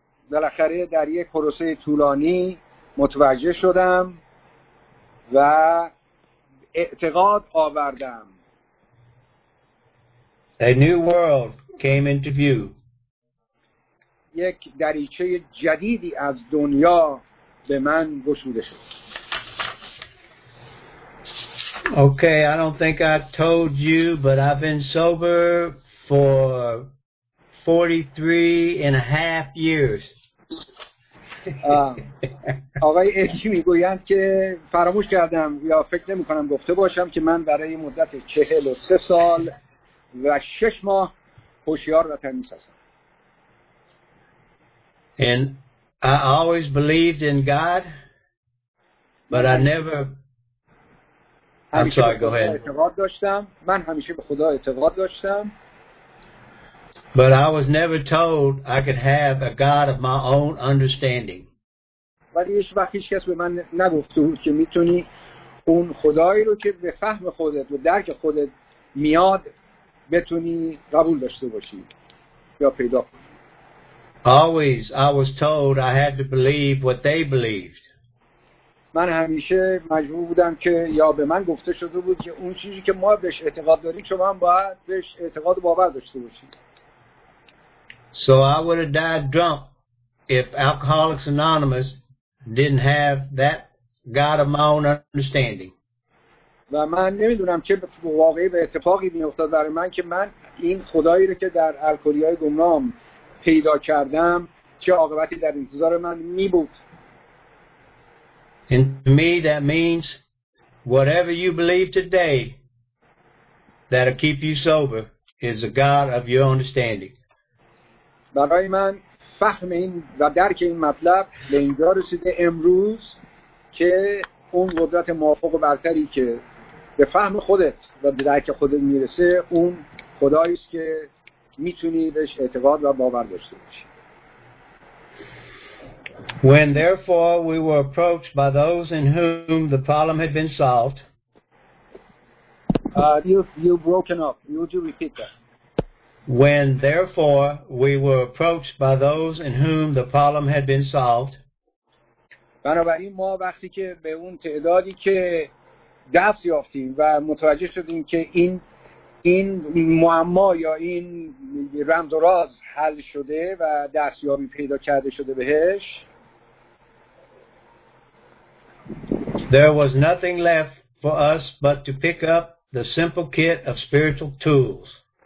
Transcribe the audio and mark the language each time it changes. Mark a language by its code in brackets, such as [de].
[fa] بالاخره در یک پروسه طولانی متوجه شدم و اعتقاد آوردم. [en] A new world came into view. [fa] یک دریچه جدیدی از دنیا به من گشوده شد. [en] Okay, I don't think I told you, but I've been sober for 43 and a half years. [fa] آقای ادی میگویند که فراموش کردم یا فکر نمی کنم گفته باشم که من برای مدت 43 سال و 6 ماه هوشیار و تمیز هستم. [en] And I always believed in God, but I never... I'm sorry, go ahead. [fa] من همیشه به خدا اعتقاد داشتم. [en] But I was never told I could have a God of my own understanding. [fa] ولی هیچ وقت هیچ کس به من نگفته بود که میتونی اون خدایی رو که به فهم خودت و درک خودت میاد بتونی قبول داشته باشی یا پیدا کنی. [en] Always I was told I had to believe what they believed. [fa] من همیشه مجبور بودم که یا به من گفته شده بود که اون چیزی که ما بهش اعتقاد داریم شما هم باید بهش اعتقاد و باور داشته باشید. [en] So I would have died drunk if Alcoholics Anonymous didn't have that God of my own understanding. [fa] و من نمیدونم چه واقعی به اتفاقی میافتاد برای من که من این خدایی رو که در الکلی‌های گمنام پیدا کردم چه عاقبتی در انتظار من می بود. [en] And to me that means whatever you believe today that'll keep you sober is a God of your understanding. [fa] برای من فهم این و درک این مطلب به اینجا رسیده امروز که اون قدرت موافق و برتری که به فهم خودت و به درک خودت میرسه اون خدایی است که میتونی بهش اعتقاد و باور داشته باشی. [en] When therefore we were approached by those in whom the problem had been solved. You've broken up. Would you repeat that? When therefore we were approached by those in whom the problem had been solved. [fa] بنابراین ما وقتی که به اون تعدادی که دست یافتیم و متوجه شدیم که این معما یا این رمز و راز حل شده و دستیابی پیدا کرده شده بهش. [en] There was nothing left for us but to pick up the simple kit of spiritual tools.